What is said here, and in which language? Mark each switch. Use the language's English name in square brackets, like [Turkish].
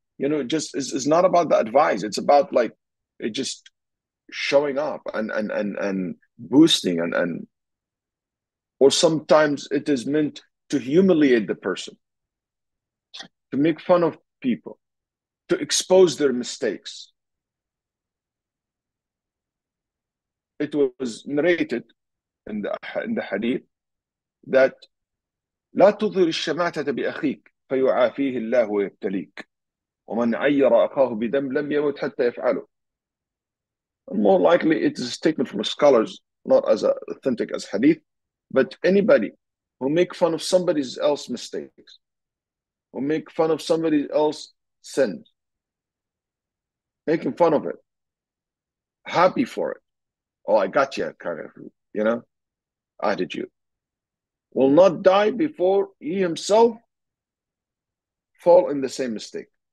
[English] You know, it just is not about the advice. It's about like it just showing up and boosting and or sometimes it is meant to humiliate the person, to make fun of people, to expose their mistakes. It was narrated in the hadith that [Arabic] لا تظهر الشماتة بأخيك فيعافيه الله ويبتليك ومن عير أخاه بدم لم يموت حتى يفعله. [English] More likely it is a statement from scholars, not as authentic as hadith, but anybody who make fun of somebody else's mistakes, who make fun of somebody else's sins, making fun of it, happy for it, "Oh, I got you," kind of, you know, attitude, will not die before he himself fall in the same mistake.